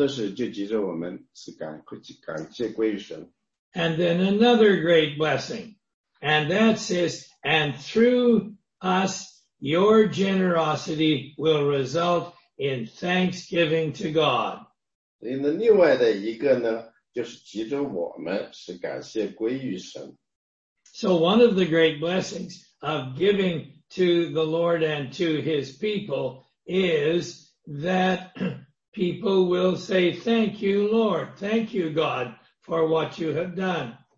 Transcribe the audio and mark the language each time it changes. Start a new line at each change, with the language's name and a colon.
Chinese: 所以呢，这个神呢，他会在，就可以多多的，就是第一十一节讲，叫你们凡事富足，可以多的是，就急着我们是感谢归神。
English: And then another great blessing. And that says, and through us, your generosity will result in thanksgiving to God.
Chinese: 另外的一个呢，就是急着我们是感谢归于神。
English: So one of the great blessings of giving to the Lord and to his people is that people will say, thank you, Lord, thank you, God, for what you have done.